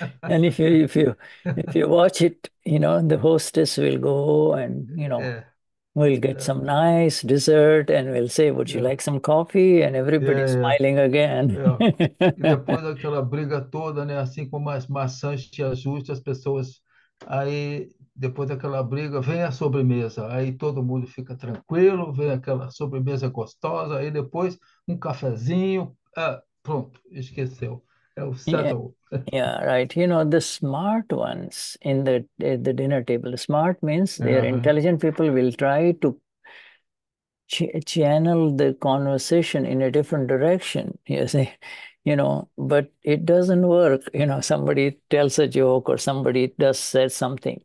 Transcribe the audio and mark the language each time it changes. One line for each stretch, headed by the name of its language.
English: And if you watch it, the hostess will go and we'll get some nice dessert and we'll say, would you like some coffee? And everybody's smiling again.
Portuguese: E depois daquela briga toda, né, assim como as maçãs te ajustam, as pessoas, aí depois daquela briga vem a sobremesa, aí todo mundo fica tranquilo, vem aquela sobremesa gostosa, aí depois um cafezinho, pronto, esqueceu, é o settle.
English: The smart ones in the dinner table. Smart means they are intelligent people will try to channel the conversation in a different direction. You see, but it doesn't work. Somebody tells a joke or somebody does say something.